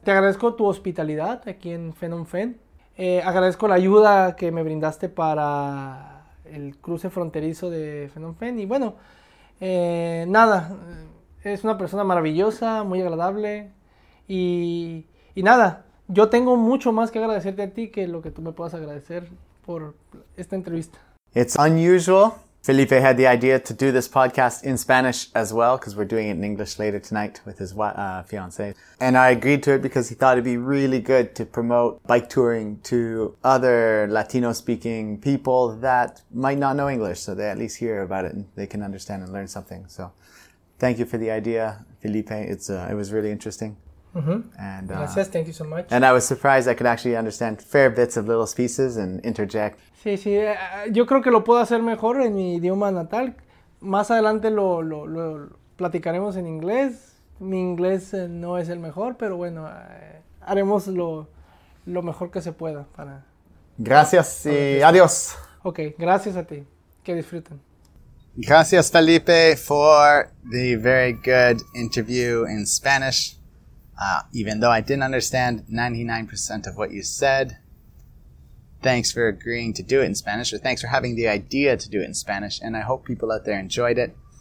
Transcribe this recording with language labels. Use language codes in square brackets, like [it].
[es] Te agradezco tu hospitalidad aquí en Phnom Penh. Agradezco la ayuda que me brindaste para el cruce fronterizo de Phnom Penh. Y bueno, nada, es una persona maravillosa, muy agradable y nada. Yo tengo mucho más que agradecerte a ti que lo que tú me puedas agradecer por esta entrevista. [en] It's unusual. Felipe had the idea to do this podcast in Spanish as well, because we're doing it in English later tonight with his fiance. And I agreed to it because he thought it'd be really good to promote bike touring to other Latino-speaking people that might not know English, so they at least hear about it and they can understand and learn something. So thank you for the idea, Felipe. It was really interesting. Mm-hmm. And gracias, thank you so much. And I was surprised I could actually understand fair bits of little pieces and interject. [es] Sí, yo creo que lo puedo hacer mejor en mi idioma natal. Más adelante lo platicaremos en inglés. Mi inglés no es el mejor, pero bueno, haremos lo mejor que se pueda para. Gracias y adiós. Okay, gracias a ti. Que disfruten. [en] Gracias, Felipe, for the very good interview in Spanish. Even though I didn't understand 99% of what you said, thanks for agreeing to do it in Spanish, or thanks for having the idea to do it in Spanish, and I hope people out there enjoyed it.